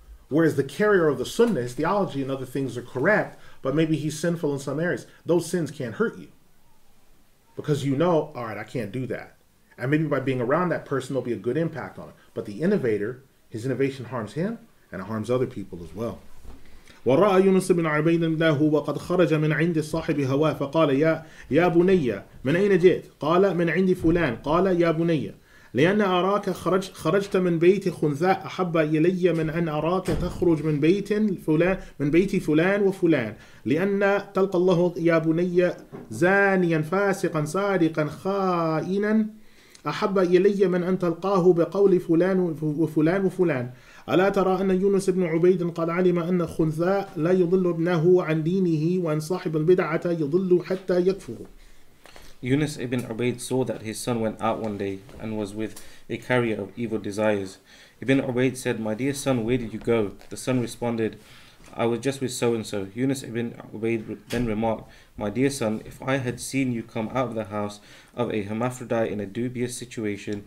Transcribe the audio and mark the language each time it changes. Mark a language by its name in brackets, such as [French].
[English] Whereas the carrier of the sunnah, his theology and other things are correct, but maybe he's sinful in some areas. Those sins can't hurt you, because you know, all right, I can't do that. And maybe by being around that person, there'll be a good impact on it. But the innovator, his innovation harms him, and it harms other people as well. [Arabic] ورأى يونس بن عبيد الله وقد خرج من عند صاحب هواه فقال يا بني من أين جئت؟ قال من عند فلان. قال يا بني لأن أراك خرجت من بيت خنثاء أحب إلي من أن أراك تخرج من بيت فلان من بيت فلان وفلان لأن تلقى الله يا بني زانيا فاسقا سارقا خائنا أحب إلي من أن تلقاه بقول فلان وفلان وفلان. ألا ترى أن يونس بن عبيد قد علم أن خنثاء لا يضل ابنه عن دينه وأن صاحب البدعة يضل حتى يكفر. [English] Yunus ibn Ubayd saw that his son went out one day and was with a carrier of evil desires. Ibn Ubayd said, "My dear son, where did you go?" The son responded, "I was just with so-and-so." Yunus ibn Ubayd then remarked, "My dear son, if I had seen you come out of the house of a hermaphrodite in a dubious situation..."